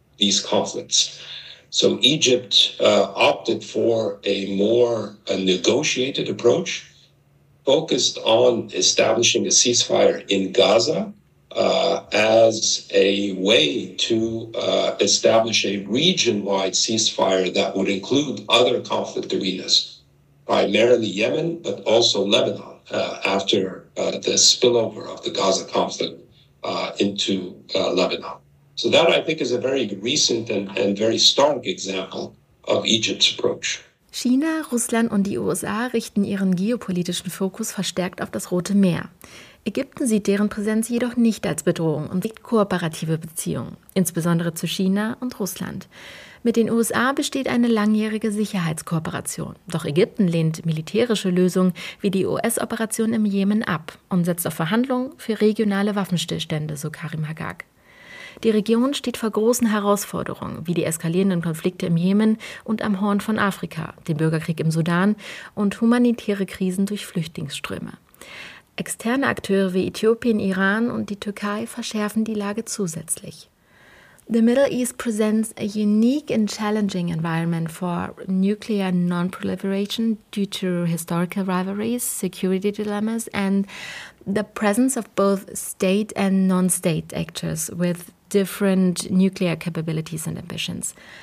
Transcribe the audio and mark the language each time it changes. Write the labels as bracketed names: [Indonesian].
[English] these conflicts. So Egypt opted for a more negotiated approach, focused on establishing a ceasefire in Gaza as a way to establish a region-wide ceasefire that would include other conflict arenas, primarily Yemen, but also Lebanon, after the spillover of the Gaza conflict into Lebanon. So that, I think, is a very recent and very stark example of Egypt's approach. [German] China, Russland und die USA richten ihren geopolitischen Fokus verstärkt auf das Rote Meer. Ägypten sieht deren Präsenz jedoch nicht als Bedrohung und pflegt kooperative Beziehungen, insbesondere zu China und Russland. Mit den USA besteht eine langjährige Sicherheitskooperation. Doch Ägypten lehnt militärische Lösungen wie die US-Operation im Jemen ab und setzt auf Verhandlungen für regionale Waffenstillstände, so Karim Haggag. Die Region steht vor großen Herausforderungen, wie die eskalierenden Konflikte im Jemen und am Horn von Afrika, dem Bürgerkrieg im Sudan und humanitäre Krisen durch Flüchtlingsströme. Externe Akteure wie Äthiopien, Iran und die Türkei verschärfen die Lage zusätzlich. [English] The Middle East presents a unique and challenging environment for nuclear non-proliferation due to historical rivalries, security dilemmas, and the presence of both state and non-state actors with different nuclear capabilities and ambitions.